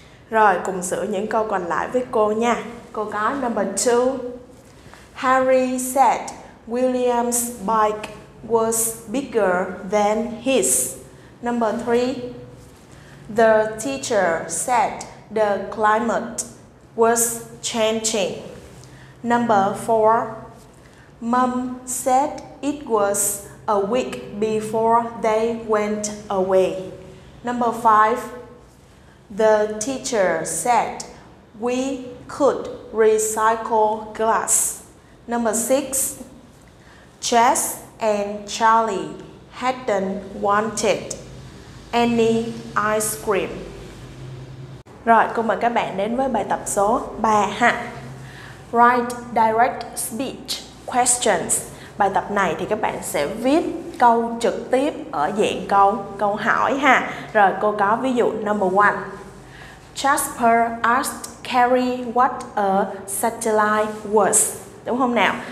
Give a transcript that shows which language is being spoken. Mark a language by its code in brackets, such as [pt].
[vi] Rồi, cùng sửa những câu còn lại với cô nha. Cô có number 2. [en] Harry said William's bike was bigger than his. Number 3. The teacher said the climate was changing. Number 4. Mum said it was a week before they went away. Number 5. The teacher said we could recycle glass. Number 6. Jess and Charlie hadn't wanted any ice cream. [vi] Rồi, cùng mời các bạn đến với bài tập số 3 ha. [en] Write direct speech questions. [vi] Bài tập này thì các bạn sẽ viết câu trực tiếp ở dạng câu hỏi ha. Rồi, cô có ví dụ number 1. [en] Jasper asked Carrie what a satellite was. [vi] Đúng không nào?